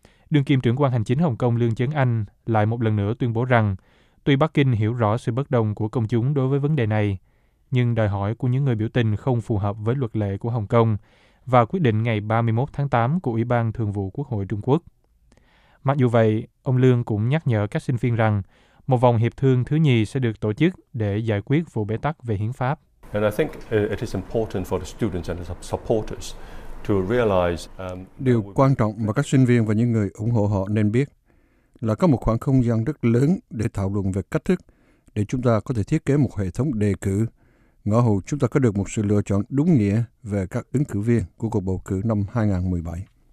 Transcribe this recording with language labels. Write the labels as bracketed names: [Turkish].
[Vietnamese] Đương kim trưởng quan hành chính Hồng Kông Lương Chấn Anh lại một lần nữa tuyên bố rằng tuy Bắc Kinh hiểu rõ sự bất đồng của công chúng đối với vấn đề này, nhưng đòi hỏi của những người biểu tình không phù hợp với luật lệ của Hồng Kông và quyết định ngày 31 tháng 8 của Ủy ban Thường vụ Quốc hội Trung Quốc. Mặc dù vậy, ông Lương cũng nhắc nhở các sinh viên rằng một vòng hiệp thương thứ nhì sẽ được tổ chức để giải quyết vụ bế tắc về hiến pháp. [English] And I think it is important for the students and the supporters. [Vietnamese] Điều quan trọng mà các sinh viên và những người ủng hộ họ nên biết là có một khoảng không gian rất lớn để thảo luận về cách thức để chúng ta có thể thiết kế một hệ thống đề cử, ngõ hầu chúng ta có được một sự lựa chọn đúng nghĩa về các ứng cử viên của cuộc bầu cử năm 2017.